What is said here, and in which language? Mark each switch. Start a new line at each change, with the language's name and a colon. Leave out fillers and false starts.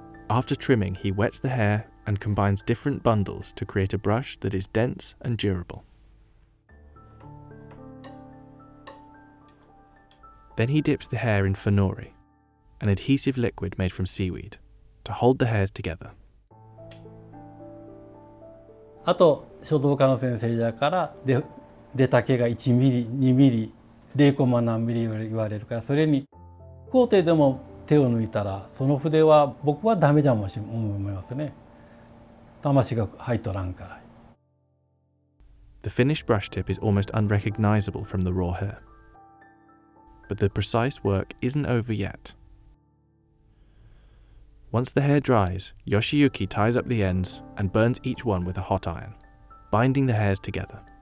English: After trimming, he wets the hair and combines different bundles to create a brush that is dense and durable. Then he dips the hair in fenori, an adhesive liquid made from seaweed, to hold the hairs together.
Japanese: あと書道家の先生だから、出た毛が1ミリ、2ミリ、0コマ何ミリ言われるから、それに工程でも手を抜いたら、その筆は僕はダメじゃもし思いますね。魂が入っとらんから。
English: The finished brush tip is almost unrecognizable from the raw hair. But the precise work isn't over yet. Once the hair dries, Yoshiyuki ties up the ends and burns each one with a hot iron, binding the hairs together.